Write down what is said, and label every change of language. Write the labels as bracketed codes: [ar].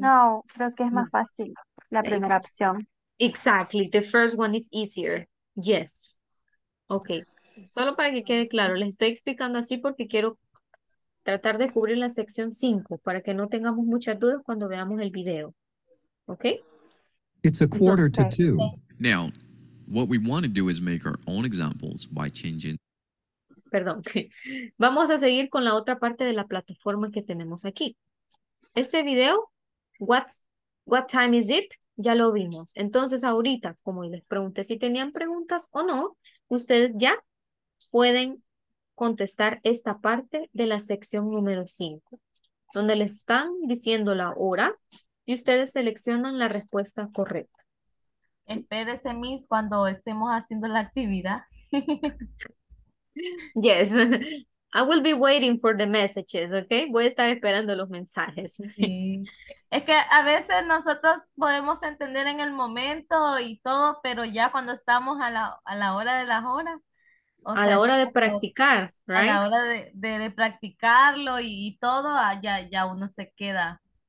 [es] No, creo que es más fácil la primera opción. [en] Exactly, the first one is easier. Yes. [es] Ok, solo para que quede claro, les estoy explicando así porque quiero tratar de cubrir la sección 5 para que no tengamos muchas dudas cuando veamos el video. Ok. [en] It's a quarter to two. Now, what we want to do is make our own examples by changing... [es] Perdón. Vamos a seguir con la otra parte de la plataforma que tenemos aquí. Este video, [en] what time is it? [es] Ya lo vimos. Entonces, ahorita, como les pregunté si tenían preguntas o no, ustedes ya pueden contestar esta parte de la sección número 5, donde les están diciendo la hora y ustedes seleccionan la respuesta correcta. Espérese, Miss, cuando estemos haciendo la actividad. [en] Yes, I will be waiting for the messages, okay? [es] Voy a estar esperando los mensajes. Sí. Es que a veces nosotros podemos entender en el momento y todo, pero ya cuando estamos a la hora de las horas. O a sea, la hora de practicar, right? A la hora de practicarlo y todo, ya uno se queda.